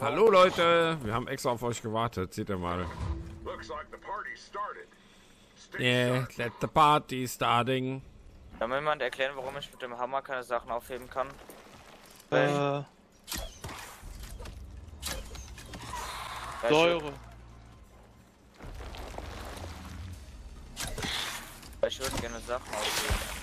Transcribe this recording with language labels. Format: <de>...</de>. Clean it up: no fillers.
<de>Hallo Leute, wir haben extra auf euch gewartet. Seht ihr mal.</de> <en>Looks like the party started. Yeah, let the party starting.</en> <de>Kann mir jemand erklären, warum ich mit dem Hammer keine Sachen aufheben kann? Säure. Ich würde gerne Sachen aufheben.</de>